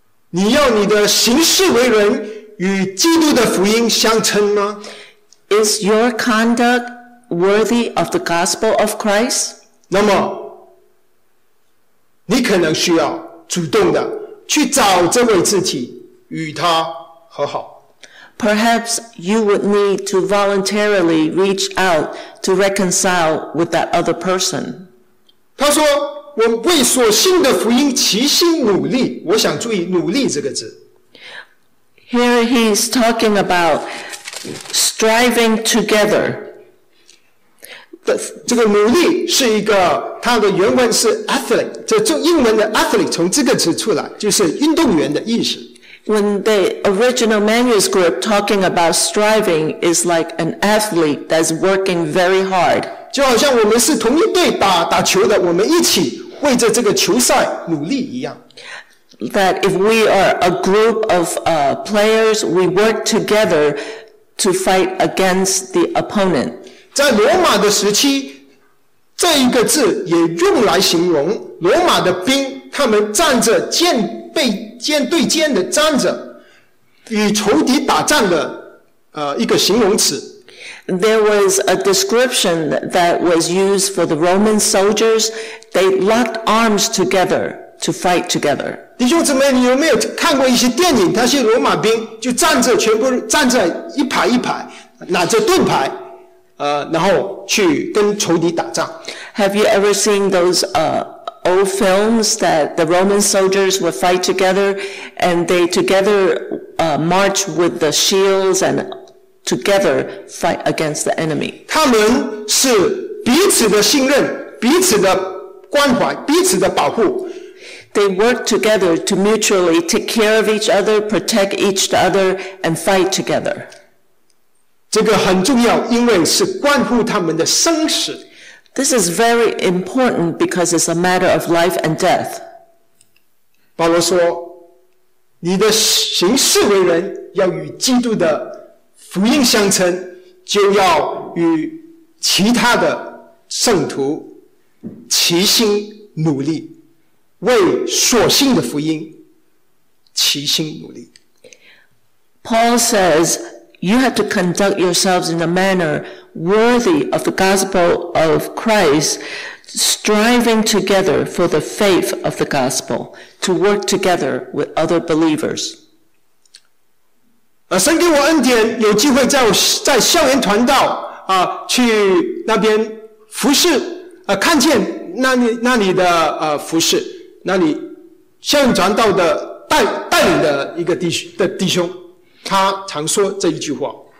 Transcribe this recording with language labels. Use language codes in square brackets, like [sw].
[zh] 你要你的行事为人与基督的福音相称吗？ [en] Is your conduct worthy of the gospel of Christ? [zh] 那么你可能需要主动的去找这位肢体与他和好。 [en] Perhaps you would need to voluntarily reach out to reconcile with that other person. [zh] 他说，我为所信的福音齐心努力。我想注意努力这个字。 [en] Here he's talking about striving together. [zh] 这个努力是一个，它的原文是 athlete， 这中英文的 athlete 从这个字出来，就是运动员的意思。 [en] When the original manuscript talking about striving is like an athlete that's working very hard. [zh] 就好像我们是同一队打球的，我们一起为着这个球赛努力一样。 [en] That if we are a group of players, we work together to fight against the opponent. [zh] 在罗马的时期，这一个字也用来形容罗马的兵，他们站着剑背肩对肩的站着与仇敌打仗的一个形容词。 [en] There was a description that was used for the Roman soldiers. They locked arms together to fight together. [zh] 弟兄姊妹，你有没有看过一些电影，那些罗马兵就站着，全部站在一排一排，拿着盾牌然后去跟仇敌打仗。 [en] Have you ever seen those old films that the Roman soldiers would fight together and they together march with the shields and together fight against the enemy. [zh] 他们是彼此的信任，彼此的关怀，彼此的保护。 [en] They work together to mutually take care of each other, protect each other, and fight together. [zh] 这个很重要，因为是关乎他们的生死。 [en] This is very important because it's a matter of life and death. [zh] 保罗说，你的行事为人要与基督的福音相称，就要与其他的圣徒齐心努力，为所信的福音齐心努力。 [en] Paul says, you have to conduct yourselves in a manner worthy of the gospel of Christ, striving together for the faith of the gospel, to work together with other believers. [zh] 神给我恩典，有机会在校园传道，去那边服侍，看见那里的服侍，那里校园传道的带领的一个弟兄，他常说这一句话。